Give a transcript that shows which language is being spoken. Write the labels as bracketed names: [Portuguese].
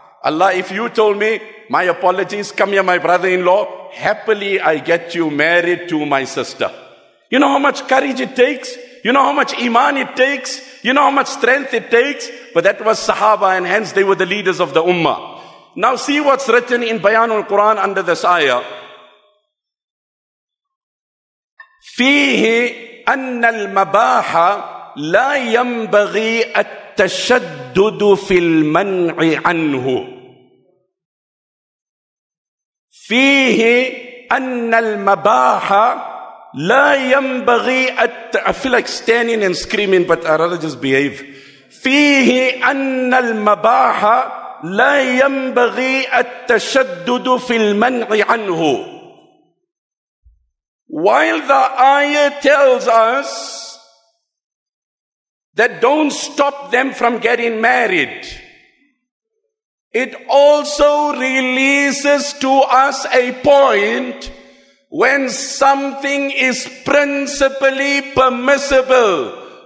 [English] Allah, if you told me, my apologies, come here my brother-in-law, happily I get you married to my sister. You know how much courage it takes? You know how much iman it takes? You know how much strength it takes? But that was Sahaba, and hence they were the leaders of the Ummah. Now see what's written in Bayanul Quran under this ayah. [Arabic] Fihi أن المباح لا ينبغي التشدد في المنع عنه. فيه أن المباح لا ينبغي [English] I feel like standing and screaming, but I'd rather just behave. [Arabic] فيه أن المباح لا ينبغي التشدد في المنع عنه. [English] While the ayah tells us that don't stop them from getting married, it also releases to us a point when something is principally permissible.